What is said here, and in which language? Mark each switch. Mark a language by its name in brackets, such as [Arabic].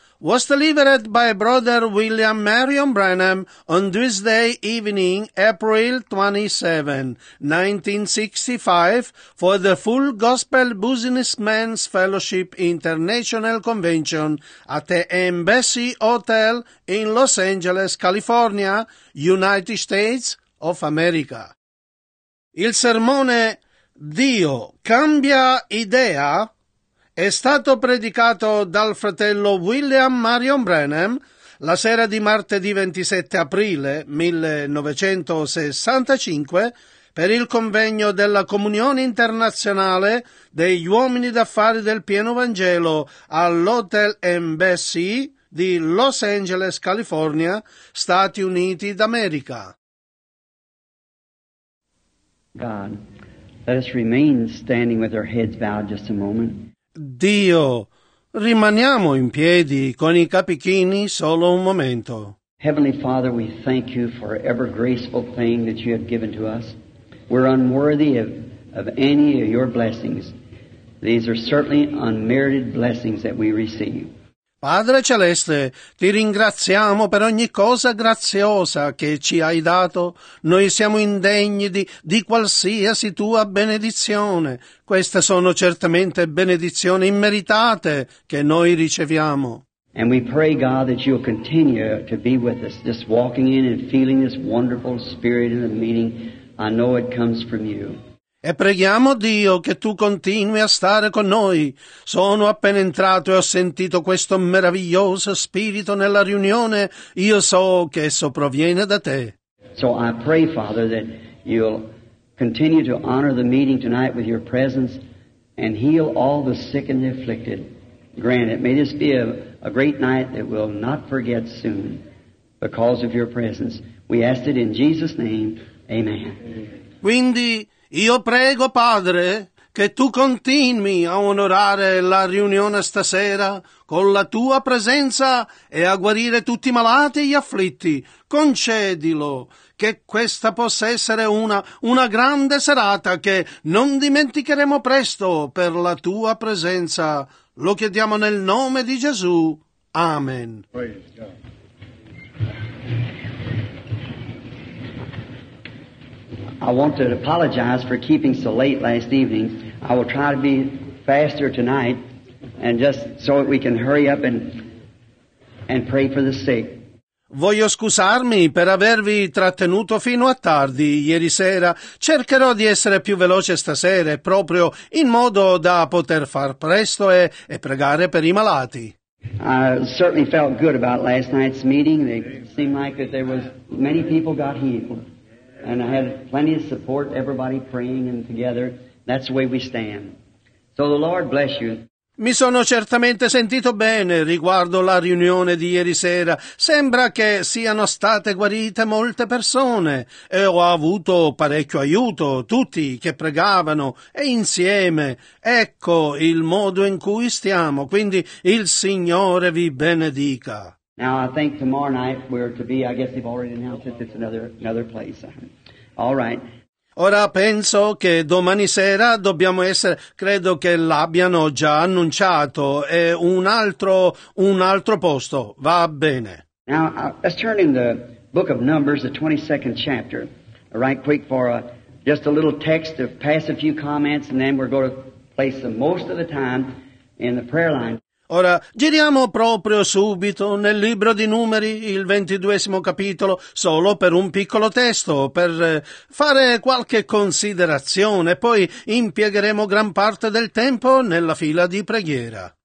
[English] was delivered by Brother William Marion Branham on Tuesday evening, April 27, 1965, for the Full Gospel Businessmen's Fellowship International Convention at the Embassy Hotel in Los Angeles, California, United States of America. [Italian] Il sermone "Dio cambia idea" è stato predicato dal fratello William Marion Branham la sera di martedì 27 aprile 1965 per il convegno della Comunione Internazionale degli Uomini d'Affari del Pieno Vangelo all'Hotel Embassy di Los Angeles, California, Stati Uniti d'America. [English] God, let us remain standing with our heads bowed just a moment. [Italian] Dio, rimaniamo in piedi con i capi chini solo un momento. [English] Heavenly Father, we thank you for every graceful thing that you have given to us. We're unworthy of any of your blessings. These are certainly unmerited blessings that we receive. [Italian] Padre Celeste, ti ringraziamo per ogni cosa graziosa che ci hai dato. Noi siamo indegni di qualsiasi tua benedizione. Queste sono certamente benedizioni immeritate che noi riceviamo. [English] And we pray, God, that you'll continue to be with us, just walking in and feeling this wonderful spirit in the meeting. I know it comes from you. [Italian] E preghiamo Dio che tu continui a stare con noi. Sono appena entrato e ho sentito questo meraviglioso spirito nella riunione. Io so che esso proviene da te. [English] So I pray, Father, that you'll continue to honor the meeting tonight with your presence and heal all the sick and the afflicted. Grant it. May this be a great night that we'll not forget soon because of your presence. We ask it in Jesus' name. Amen. [Italian] Quindi io prego, Padre, che tu continui a onorare la riunione stasera con la tua presenza e a guarire tutti i malati e gli afflitti. Concedilo, che questa possa essere una grande serata che non dimenticheremo presto per la tua presenza. Lo chiediamo nel nome di Gesù. Amen. [English] I want to apologize for keeping so late last evening. I will try to be faster tonight, and just so that we can hurry up and pray for the sick. [Italian] Voglio scusarmi per avervi trattenuto fino a tardi ieri sera. Cercherò di essere più veloce stasera, proprio in modo da poter far presto e pregare per i malati. [English] I certainly felt good about last night's meeting. It seemed like that there was many people got healed. And I had plenty of support, everybody praying and together. That's the way we stand. So the Lord bless you. [Italian] Mi sono certamente sentito bene riguardo la riunione di ieri sera. Sembra che siano state guarite molte persone. E ho avuto parecchio aiuto, tutti che pregavano e insieme. Ecco il modo in cui stiamo. Quindi il Signore vi benedica. [English] Now, I think tomorrow night we're to be, I guess they've already announced it, it's another place. All right. [Italian] Ora penso che domani sera dobbiamo essere, credo che l'abbiano già annunciato, è un altro posto. Va bene. [English] Now, let's turn in the book of Numbers, the 22nd chapter, right quick for just a little text to pass a few comments, and then we're going to place the most of the time in the prayer line. [Italian] Ora, giriamo proprio subito nel libro di Numeri, il 22° capitolo, solo per un piccolo testo, per fare qualche considerazione, poi impiegheremo gran parte del tempo nella fila di preghiera.